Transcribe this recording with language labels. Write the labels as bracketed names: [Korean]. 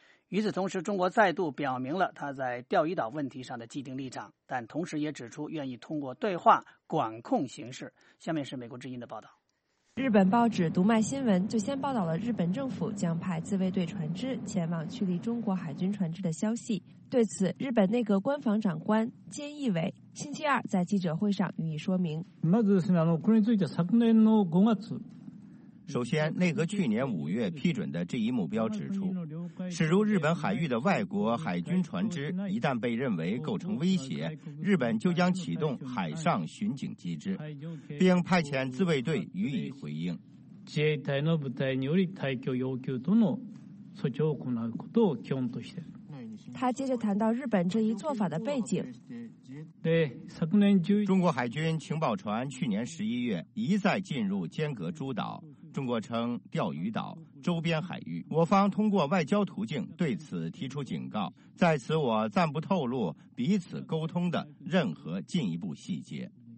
[Chinese] 与此同时，中国再度表明了他在钓鱼岛问题上的既定立场，但同时也指出愿意通过对话管控形势。下面是美国之音的报道。日本报纸读卖新闻就先报道了日本政府将派自卫队船只前往驱离中国海军船只的消息。对此，日本内阁官房长官菅义伟星期二在记者会上予以说明。 [Japanese] まずですね、これについて昨年の5月、 [Chinese] 首先，内阁去年五月批准的这一目标指出，驶入日本海域的外国海军船只一旦被认为构成威胁，日本就将启动海上巡警机制，并派遣自卫队予以回应。 [Japanese] 自衛隊の部隊により退去要求との措置を行うことを基本として。 [Chinese] 他接着谈到日本这一做法的背景。中国海军情报船去年十一月一再进入尖阁诸岛，中国称钓鱼岛周边海域，我方通过外交途径对此提出警告，在此我暂不透露彼此沟通的任何进一步细节。